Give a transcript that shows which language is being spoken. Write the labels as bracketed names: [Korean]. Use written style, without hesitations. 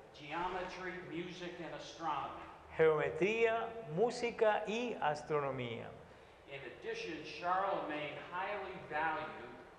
[English] geometry, music, and astronomy. [Spanish] Geometría, música y astronomía. [English] In addition, Charlemagne highly valued.